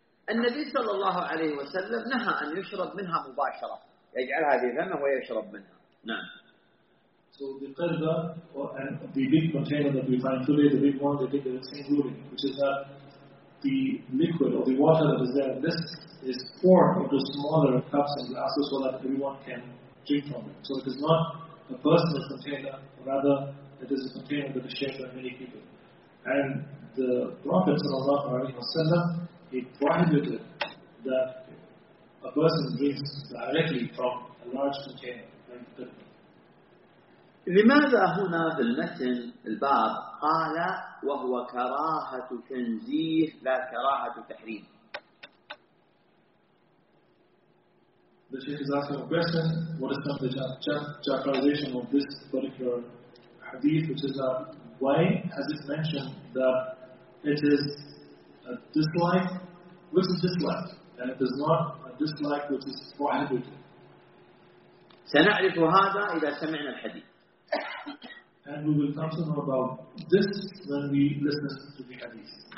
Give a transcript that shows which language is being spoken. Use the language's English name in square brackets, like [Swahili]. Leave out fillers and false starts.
[Arabic] النبي صلى الله عليه وسلم نهى أن يشرب منها مباشرة، يجعلها في فمه ويشرب منها. نعم. [English] So the qirba or the big container that we find today, the big one, they take the same ruling, which is that the liquid or the water that is there, this is poured into smaller cups and glasses so that everyone can drink from it. So it is not a personal container, rather it is a container that is shared by many people. And the Prophet sallallahu alaihi wasallam, he prohibited that a person drinks directly from a large container like the qirba. [Arabic] لماذا هنا في المتن الباب قال وهو كراهة تنزيه لا كراهة تحريم؟ [English] The Sheikh is asking a question. What is the chapterization of this particular hadith, which is that why has it mentioned that it is a dislike? What is dislike? And it is not a dislike which is prohibited. [Arabic] سنعرف هذا إذا سمعنا الحديث. [English] And we will talk to them about this when we listen to the hadith.